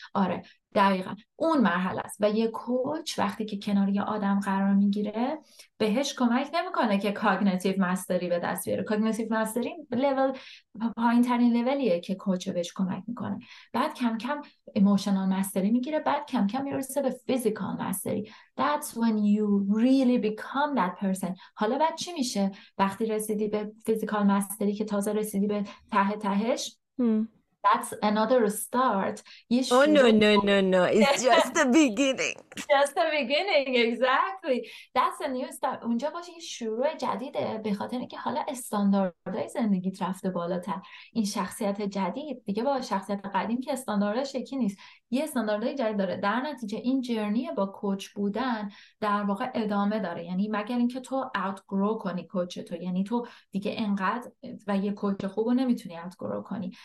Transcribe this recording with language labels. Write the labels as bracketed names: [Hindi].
[Persian] آره دقیقا اون مرحله است. و یه کوچ وقتی که کنار یه آدم قرار میگیره بهش کمک نمیکنه که کاگنیتیو مستری به دست بیاره. کاگنیتیو مستری لول پایین ترین لولیه که کوچ بهش کمک میکنه. بعد کم کم ایموشنال مستری میگیره، بعد کم کم میرسه به فیزیکال مستری. [English] That's when you really become that person. [Persian] حالا بعد چی میشه وقتی رسیدی به فیزیکال مستری که تازه رسیدی به ته تهش؟ [English] That's another start. Oh no no no no! It's just the beginning. Just the beginning, exactly. That's a new start. [Persian] اونجا باشه یه شروع جدیده، به خاطر اینکه حالا استانداردهای زندگیت رفته بالاتر. این شخصیت جدید دیگه با شخصیت قدیم که استانداردش یکی نیست، یه استانداردهای جدید داره. در نتیجه این جرنی با کوچ بودن در واقع ادامه داره، یعنی مگر اینکه تو outgrow کنی کوچ تو، یعنی تو دیگه انقدر و یه کوچ خوبو نمیتونی outgrow کنی.